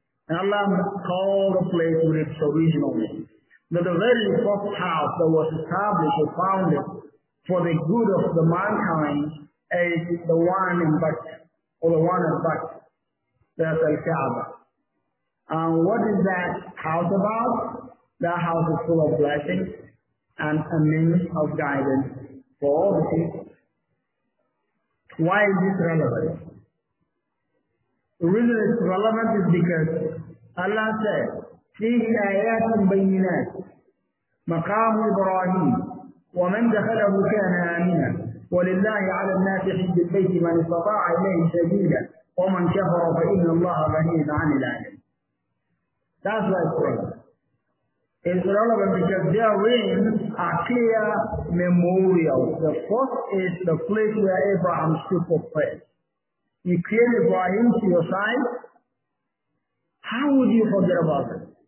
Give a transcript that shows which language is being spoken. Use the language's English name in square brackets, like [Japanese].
[English] And Allah called the place with its original name. Now the very first house that was established or founded for the good of the mankind is the one in Bakka, or the one in Bakka, that's Al-Kaaba. And what is that house about? That house is full of blessings and a means of guidance for all the people. Why is this relevant? The reason it's relevant is because Allah said, [Arabic] فِيهِ آيَاتٌ بَيِّنَاتٌ مَقَامُ إِبْرَاهِيمُ وَمَنْ دَخَلَهُ كَانَ آمِنًا وَلِلَّهِ عَلَى النَّاسِ حِجُّ الْبَيْتِ مَنْ اسْتَطَاعَ إِلَيْهِ سَبِيلًا وَمَنْ كَفَرَ فَإِنَّ اللَّهَ غَنِيٌّ عَنِ الْعَالَمِينَ. [English] That's why it's relevant. It's relevant because therein are clear memorials. The first is the place where Abraham stood for prayer. You create Ibrahim to your side, how would you forget about it?